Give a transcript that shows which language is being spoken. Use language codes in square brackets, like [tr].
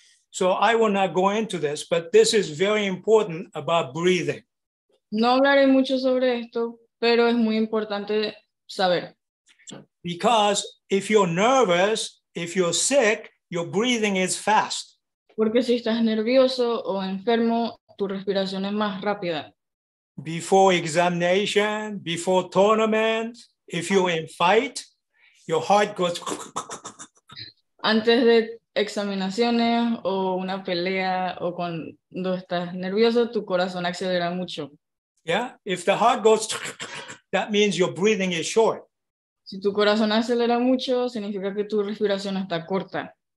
[en] So I will not go into this, but this is very important about breathing. [es] No hablaré mucho sobre esto, pero es muy importante saber. [en] Because if you're nervous, if you're sick, your breathing is fast. [es] Porque si estás nervioso o enfermo, tu respiración es más rápida. [en] Before examination, before tournament, if you're in fight, your heart goes... [es] Antes de examinaciones o una pelea o cuando estás nervioso tu corazón acelera mucho. [en] Yeah, if the heart goes that means your breathing is short. [es] Si tu corazón acelera mucho significa que tu respiración está corta.